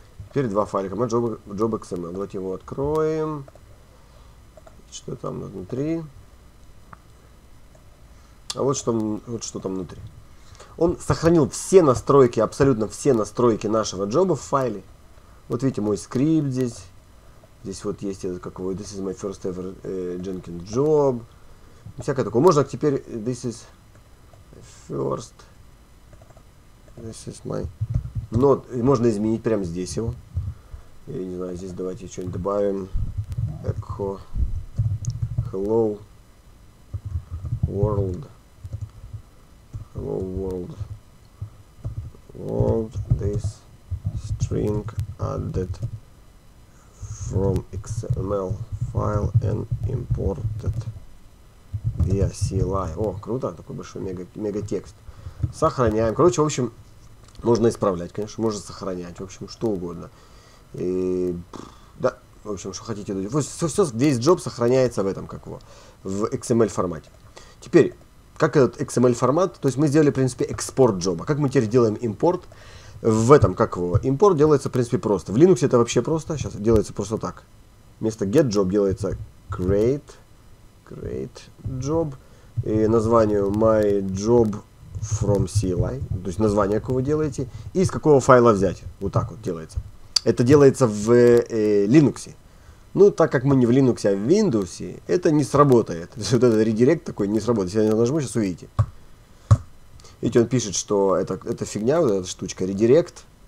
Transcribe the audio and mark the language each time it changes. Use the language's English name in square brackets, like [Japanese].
[Russian] Теперь два файлика. My job, job XML. Давайте его откроем. Что там внутри? А вот что там внутри. Он сохранил все настройки, абсолютно все настройки нашего джоба в файле. Вот видите, мой скрипт здесь. Здесь вот есть этот какой, [English] this is my first ever Jenkins job. [Russian] Всякое такое. Можно теперь, можно изменить прямо здесь его. Я не знаю, здесь давайте что-нибудь добавим. [English] Echo hello world. Hello world. World this string added from XML file and imported via CLI. [Russian] О, круто, такой большой мега текст. Сохраняем. Короче, в общем, можно исправлять, конечно, можно сохранять, в общем, что угодно. И да, в общем, что хотите. Все, весь джоб сохраняется в этом, как его, в XML формате. Теперь как этот XML формат, то есть мы сделали, в принципе, экспорт джоба. Как мы теперь делаем импорт? В этом, как его, импорт делается, в принципе, просто. В Linux это вообще просто. Сейчас делается просто так. Вместо get job делается create job. И название my job from CLI. То есть название какого делаете. И из какого файла взять. Вот так вот делается. Это делается в Linux. Ну, так как мы не в Linux, а в Windows, это не сработает. То есть вот этот редирект такой не сработает. Если я нажму, сейчас увидите. Видите, он пишет, что это фигня, вот эта штучка, редирект.